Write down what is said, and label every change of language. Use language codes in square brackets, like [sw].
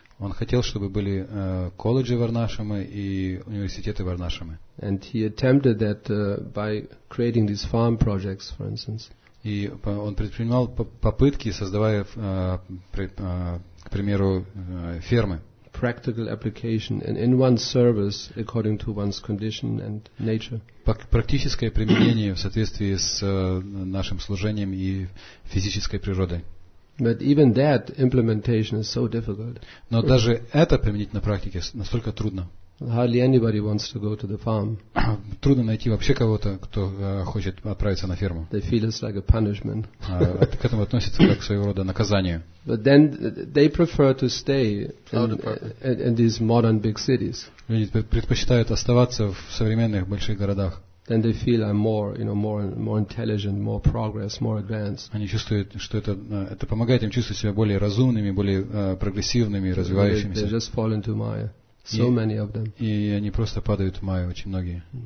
[ru] Он хотел, чтобы были колледжи Варнашрамы и университеты Варнашрамы. [en] And he attempted that by creating these farm projects, for instance. [ru] И он предпринимал попытки, создавая, к примеру, фермы. [en] Practical application in one's service according to one's condition and nature. [ru] Практическое применение в соответствии с нашим служением и физической природой. [en] But even that implementation is so difficult. [ru] Но даже это применить на практике настолько трудно. [en] Hardly anybody wants to go to the farm. [ru] Трудно найти вообще кого-то, кто хочет отправиться на ферму. [en] They feel it's like a punishment. [ru] К этому относится как своего рода наказание. [en] But then they prefer to stay in these modern big cities. [ru] Люди предпочитают оставаться в современных больших городах. [en] Then they feel I'm more, you know, more intelligent, more progress, more advanced. [ru] Они чувствуют, что это помогает им чувствовать себя более разумными, более прогрессивными, развивающимися. [en] They just fall into Maya. So many of them. [ru] И они просто падают в майю, очень многие.